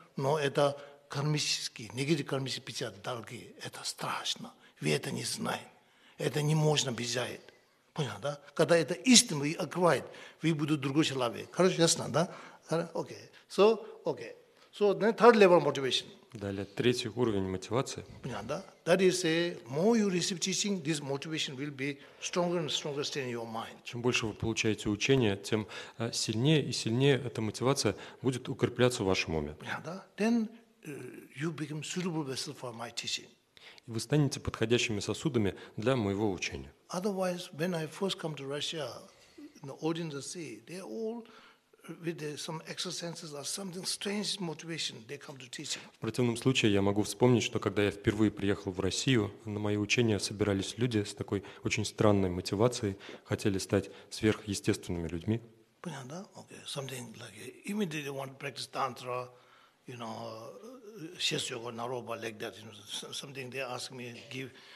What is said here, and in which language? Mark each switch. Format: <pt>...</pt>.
<ru>Но это кармические, негде кармические печати, долги, это страшно. Вы это не знаете, это не можно взять. Понял, да? Когда это истинно и открывает, вы будете другой человек. Хорошо, ясно, да? Окей. Все, окей. Все,</ru> <en>third level motivation.</en> <ru>Далее, третий уровень мотивации. Понятно, да?</ru> <en>That is a more you receive teaching, this motivation will be stronger and stronger in your mind.</en> <ru>Чем больше вы получаете учения, тем сильнее и сильнее эта мотивация будет укрепляться в вашем уме. Понятно, да?</ru> <en>Then you become suitable vessel for my teaching.</en> <ru>И вы станете подходящими сосудами для моего учения.</ru> <en>Otherwise, when I first come to Russia, the audience see, they all with some exercises or something strange motivation they come to teach.</en> <ru>В противном случае я могу вспомнить, что когда я впервые приехал в Россию, на мои учения собирались люди с такой очень странной мотивацией, хотели стать сверхъестественными людьми. Понятно, да? Okay.</ru> <en>Something like immediately want to practice tantra, you know, shesyoga naroba like that, you know, something they ask me give</en>